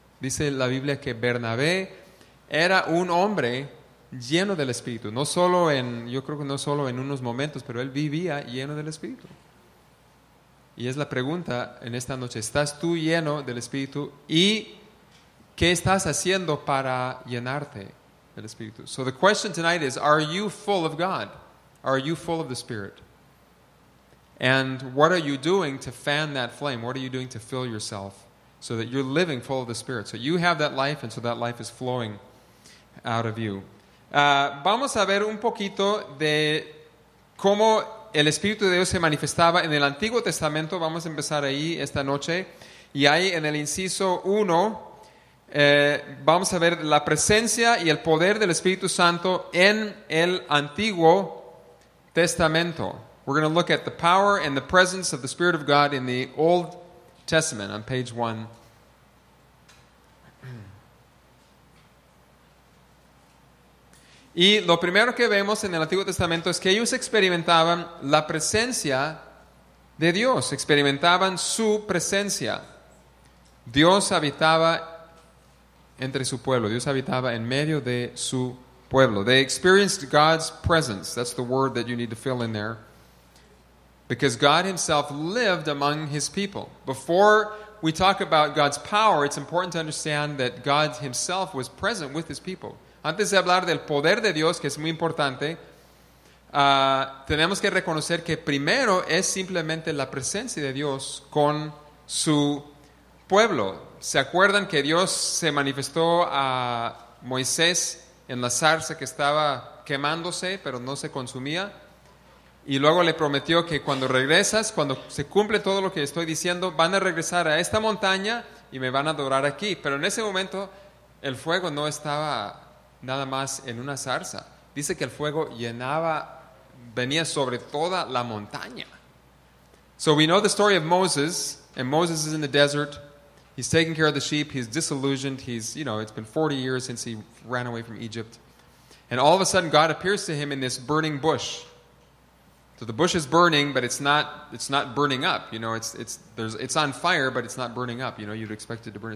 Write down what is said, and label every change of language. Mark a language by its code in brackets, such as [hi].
[es] Dice la Biblia que Bernabé era un hombre lleno del Espíritu. No solo en, yo creo que no solo en unos momentos, pero él vivía lleno del Espíritu. Y es la pregunta en esta noche. ¿Estás tú lleno del Espíritu? ¿Y qué estás haciendo para llenarte del Espíritu? [en] So the question tonight is, are you full of God? Are you full of the Spirit? And what are you doing to fan that flame? What are you doing to fill yourself so that you're living full of the Spirit? So you have that life, and so that life is flowing out of you. [es] Vamos a ver un poquito de cómo el Espíritu de Dios se manifestaba en el Antiguo Testamento. Vamos a empezar ahí esta noche. Y ahí en el inciso 1, vamos a ver la presencia y el poder del Espíritu Santo en el Antiguo Testamento. [en] We're going to look at the power and the presence of the Spirit of God in the Old Testament on page 1. [es] Y lo primero que vemos en el Antiguo Testamento es que ellos experimentaban la presencia de Dios, experimentaban su presencia. Dios habitaba entre su pueblo, Dios habitaba en medio de su pueblo. [en] They experienced God's presence. That's the word that you need to fill in there. Because God himself lived among his people. Before we talk about God's power, it's important to understand that God himself was present with his people. [es] Antes de hablar del poder de Dios, que es muy importante, tenemos que reconocer que primero es simplemente la presencia de Dios con su pueblo. ¿Se acuerdan que Dios se manifestó a Moisés en la zarza que estaba quemándose, pero no se consumía? Y luego le prometió que cuando regresas, cuando se cumple todo lo que estoy diciendo, van a regresar a esta montaña y me van a adorar aquí. Pero en ese momento, el fuego no estaba nada más en una zarza. Dice que el fuego venía sobre toda la montaña. [en] So we know the story of Moses, and Moses is in the desert. He's taking care of the sheep. He's disillusioned. He's, you know, it's been 40 years since he ran away from Egypt. And all of a sudden, God appears to him in this burning bush. So the bush is burning, but it's not burning up. You know, it's on fire, but it's not burning up. You know, you'd expect it to burn.